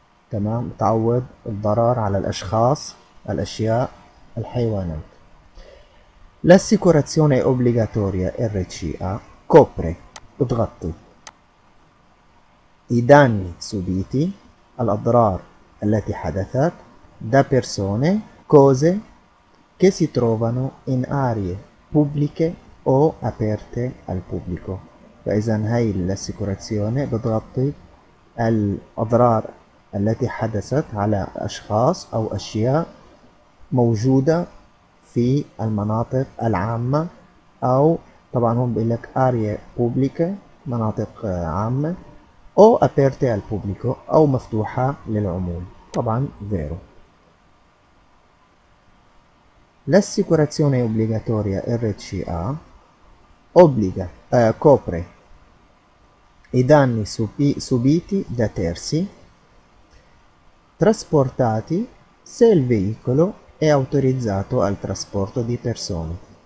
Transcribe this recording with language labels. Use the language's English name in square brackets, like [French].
[Arabic] تمام، تعوض الضرر على الأشخاص، الأشياء، الحيوانات. [Italian] L'assicurazione obbligatoria RCA copre, [Arabic] بتغطي [Italian] i danni subiti, [Arabic] الأضرار التي حدثت [Italian] da persone, cose che si trovano in aree pubbliche o aperte al pubblico. [Arabic] فإذا هاي الأسيكوراتيوني بتغطي الأضرار التي حدثت على أشخاص أو أشياء موجودة في المناطق العامة، أو طبعا هون بيقول لك أريا بوبليكا، مناطق عامة، أو أبيرتي البوبليكو، أو مفتوحة للعموم. طبعا فيرو. [Italian] الأسيكوراتيوني أوبليغاتوريا RCA أوبليغا كوبري i danni subiti da terzi trasportati se il veicolo è autorizzato al trasporto di persone.